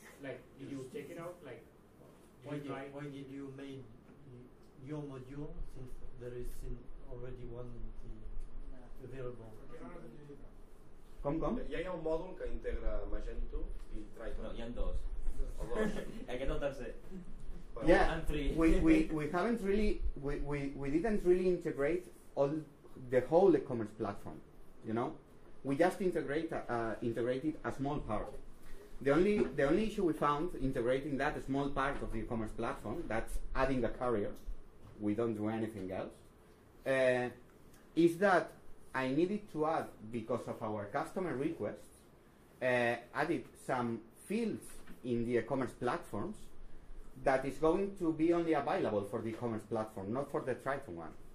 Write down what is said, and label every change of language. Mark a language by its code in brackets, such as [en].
[en] Why did you make your module since there is already one available? Come. [es] Ya hay un módulo que integra Magento y Tryton. No, hay dos. Hay que notarse. [en] Yeah, we didn't really integrate all the whole e-commerce platform. You know, we just integrated a small part. The only issue we found integrating that small part of the e-commerce platform, that's adding a carrier, we don't do anything else, is that I needed to add, because of our customer requests, added some fields in the e-commerce platforms that is going to be only available for the e-commerce platform, not for the Tryton one.